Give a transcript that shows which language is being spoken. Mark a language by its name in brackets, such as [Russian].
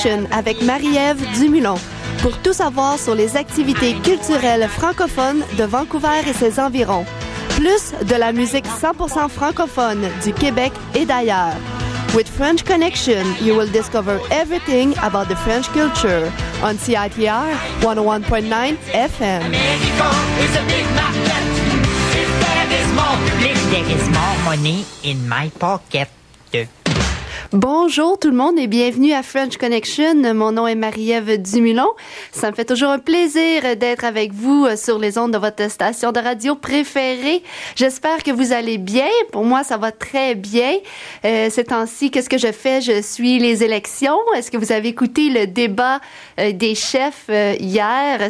[French] Avec Marie-Ève Dumoulin pour tout savoir sur les activités culturelles francophones de Vancouver et ses environs, plus de la musique 100% francophone du Québec et d'ailleurs. [English] With French Connection, you will discover everything about the French culture on CITR 101.9 FM. [French] Bonjour tout le monde et bienvenue à French Connection. Mon nom est Marie-Ève Dumoulin. Ça me fait toujours un plaisir d'être avec vous sur les ondes de votre station de radio préférée. J'espère que vous allez bien. Pour moi, ça va très bien. Ces temps-ci, qu'est-ce que je fais? Je suis les élections. Est-ce que vous avez écouté le débat des chefs hier?